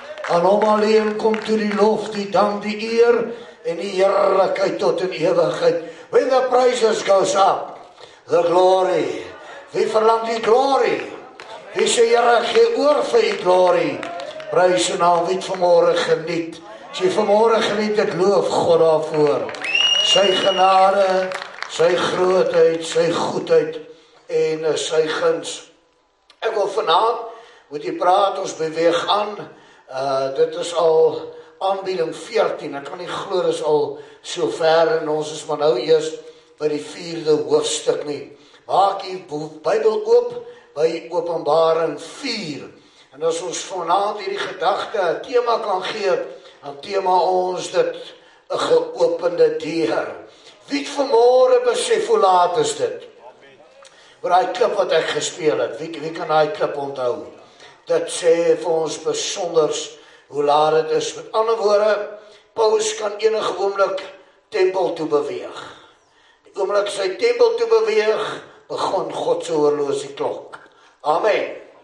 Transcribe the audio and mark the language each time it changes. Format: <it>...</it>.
<af>Aan hom alleen kom toe die lof, die dank, die eer en die heerlikheid tot in ewigheid.</af> <en>When the praises goes up, the glory.</en> <af>Wie verlang die glory? Wie sê Here, gee oor vir die glory? Prys en al wie het vanmorgen geniet. As jy vanmorgen geniet, ek loof God daarvoor. Sy genade, sy grootheid, sy goedheid en sy guns. Ek wil vanavond, moet jy praat, ons beweeg aan. Dit is al aanbieding 14, ek kan nie glo, dit is al so ver en ons is maar nou eers by die vierde hoofstuk nie. Maak jy Bybel oop by Openbaring 4. En as ons vanavond hierdie gedagte een thema kan gee, dan thema ons dit, een geopende deur. Wie het vanmorgen besef hoe laat is dit? Oor die klip wat ek gespeel het, wie kan die klip onthou? Dit sê vir ons besonders hoe laat het is. Met ander woorde, Paulus kan enige oomblik tempel toe beweeg. Die oomblik sy tempel toe beweeg, begon God se horlosie klok. Amen.</af>